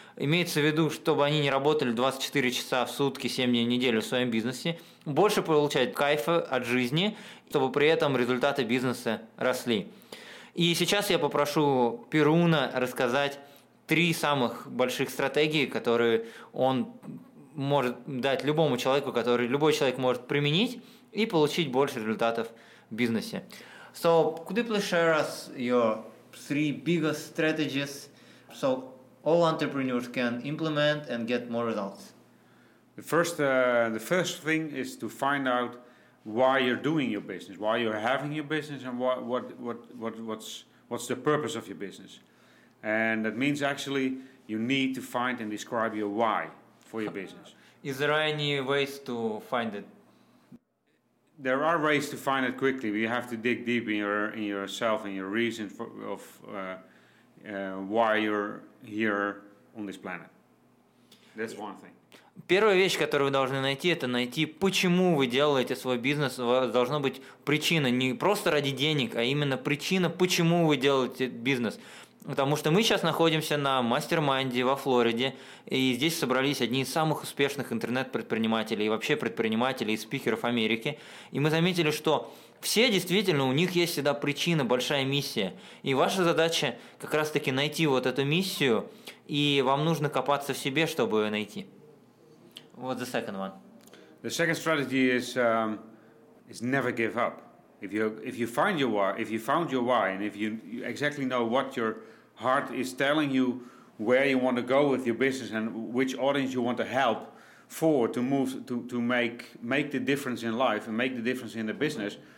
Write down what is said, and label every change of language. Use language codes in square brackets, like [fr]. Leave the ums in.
[ru] Имеется в виду, чтобы они не работали 24 часа в сутки, 7 дней в неделю в своем бизнесе, больше получать кайфа от жизни, чтобы при этом результаты бизнеса росли. И сейчас я попрошу Перуна рассказать три самых больших стратегии, которые он может дать любому человеку, который любой человек может применить и получить больше результатов в бизнесе. [en] So, could you please share us your three biggest strategies so all entrepreneurs can implement and get more results? The first, uh, the first thing is to find out why you're doing your business, why you're having your business, and what, what, what, what, what's, what's the purpose of your business. And that means actually you need to find and describe your why for your business. Is there any ways to find it? There are ways to find it quickly. You have to dig deep in, your, in yourself and your reason for, of uh, uh, why you're here on this planet. That's one thing. [ru] Первая вещь, которую вы должны найти, это найти, почему вы делаете свой бизнес. У вас должна быть причина не просто ради денег, а именно причина, почему вы делаете бизнес. Потому что мы сейчас находимся на мастер-майнде во Флориде, и здесь собрались одни из самых успешных интернет-предпринимателей и вообще предпринимателей и спикеров Америки. И мы заметили, что все действительно, у них есть всегда причина, большая миссия. И ваша задача как раз-таки найти вот эту миссию, и вам нужно копаться в себе, чтобы ее найти. [en] What's the second one? The second strategy is um, is never give up. If you if you find your why, if you found your why, and if you, you, exactly know what your heart is telling you, where you want to go with your business, and which audience you want to help for to move to, to make make the difference in life and make the difference in the business.